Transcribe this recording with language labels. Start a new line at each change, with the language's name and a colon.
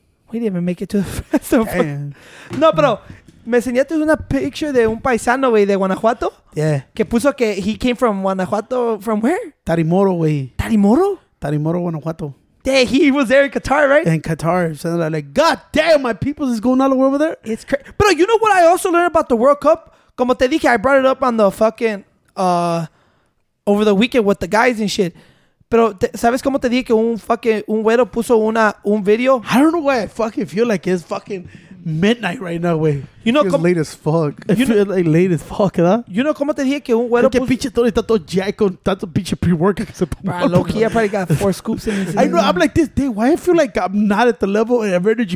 English: We didn't even make it to the first of all. No, bro.
Spanish: Me enseñaste una picture de un paisano, güey, de Guanajuato.
English: Yeah.
Spanish: Que puso que
English: he came from Guanajuato. From where?
Spanish: Tarimoro, güey. Tarimoro? Tarimoro, Guanajuato.
English: Yeah, he was there in Qatar, right? In Qatar. So they're like, God damn, my people is going all the way over there? It's crazy. Bro, you know what I also learned about the World Cup?
Spanish: Como te dije,
English: I brought it up on the fucking, over the weekend with the guys and shit.
Spanish: Pero, ¿sabes cómo te dije que un fucking, un güero puso un video?
English: I don't know why I fucking feel like it's fucking midnight right now, güey. You know, it's late as fuck. Late as fuck, ¿verdad? You know,
Spanish: ¿cómo te dije que un güero puso? Porque pinche todo está todo jack con tanto pinche pre-work.
English: Loki, I probably got 4 scoops in this. I know, I'm like this, day. Why I feel like I'm not at the level of energy?